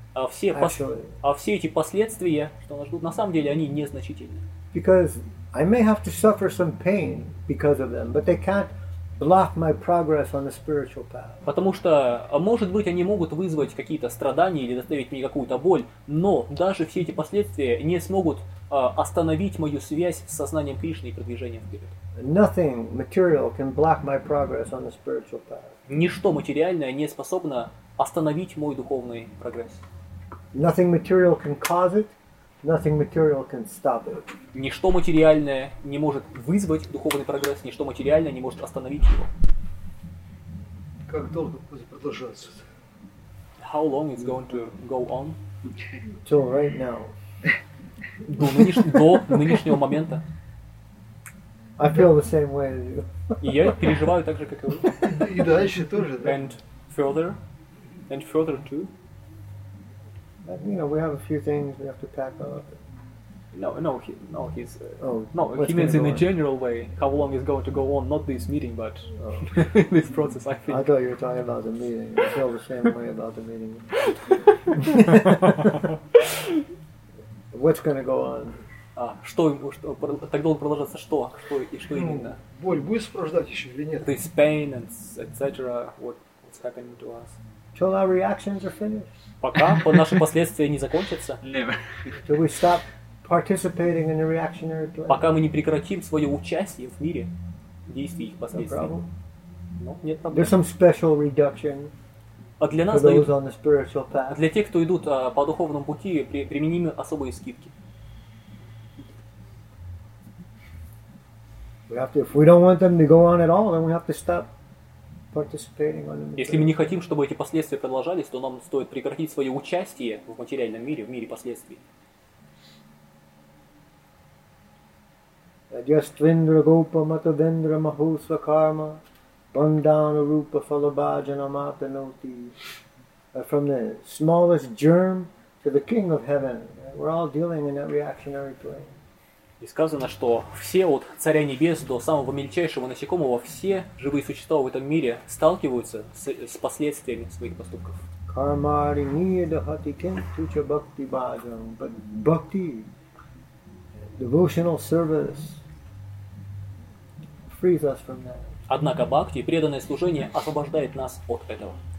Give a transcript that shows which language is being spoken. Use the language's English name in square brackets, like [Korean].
[Russian] Все эти последствия, что нас ждут, на самом деле они незначительны. [English] Because I may have to suffer some pain because of them, but they can't block my progress on the spiritual path. [Russian] Потому что, может быть, они могут вызвать какие-то страдания или доставить мне какую-то боль, но даже все эти последствия не смогут остановить мою связь с сознанием Кришны и продвижением вперед. [English] Nothing material can block my progress on the spiritual path. [Russian] Ничто материальное не способно остановить мой духовный прогресс. [English] Nothing material can cause it. Nothing material can stop it. [Russian] Ничто материальное не может вызвать духовный прогресс, ничто материальное не может остановить его. Как долго будет продолжаться? [English] How long it's going to go on? Till right now. [Russian] До нынешнего момента. [English] I feel the same way as you. [Russian] Я переживаю так же, как и вы. И дальше тоже, да? [English] And further too. You know, we have a few things we have to pack up. He means in a general way, how long is going to go on, not this meeting, but this process, I think. I thought you were talking about the meeting. I feel the same way about the meeting. What's going to go on? [Russian] Так долго продолжаться, что именно? Боль будет сопровождать еще или нет? [English] This pain and etc. What's happening to us? Till our reactions are finished. [Russian] Пока наши последствия не закончатся. [English] Never. Till we stop participating in the reactionary play. [Russian] Пока мы не прекратим свое участие в мире действий их последствий. [English] No problem. [Russian] Но нет проблем. [English] There's some special reduction. [Russian] А для нас дают, для тех, кто идут по духовному пути, применимы особые скидки. [English] We have to, if we don't want them to go on at all, then we have to stop participating on it. [Russian] Если мы не хотим, чтобы эти последствия продолжались, то нам стоит прекратить свое участие в материальном мире, в мире последствий. [Sanskrit] Adyastvindra Gopa Matavendra Mahusa Karma Bandana Rupa Falabhajana Matanoti. [English] From the smallest germ to the king of heaven. We're all dealing in that reactionary plane. [Russian] И сказано, что все от Царя Небес до самого мельчайшего насекомого, все живые существа в этом мире сталкиваются с последствиями своих поступков. [Sanskrit] Кармари Ниядахати Кентуча Бхакти Бхаджан. [English] But Bhakti, devotional service, frees us from that. [Russian] Однако Бхакти, преданное служение, освобождает нас от этого.